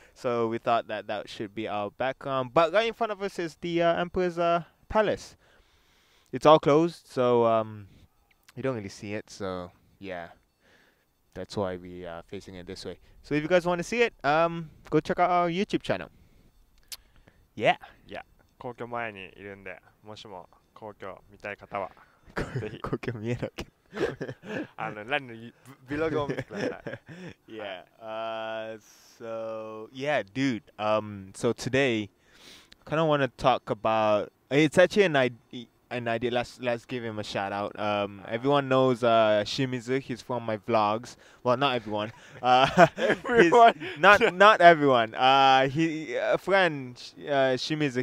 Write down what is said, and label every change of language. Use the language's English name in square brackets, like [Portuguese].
[English] So we thought that should be our background. But right in front of us is the Emperor's Palace. It's all closed, so you don't really see it. So yeah. That's why we are facing it this way. So if you guys want to see it, go check out our YouTube channel. Yeah. Yeah. [Japanese] 皇居前にいるんで、もしも皇居見たい方は、ぜひ。皇居見えなきゃ。ランのビログを見てください。 [English] Yeah. Yeah, dude. So today, kind of want to talk about... It's actually an idea. Let's give him a shout out. Everyone knows Shimizu. He's from my vlogs. Well, not everyone. everyone. not everyone. Shimizu.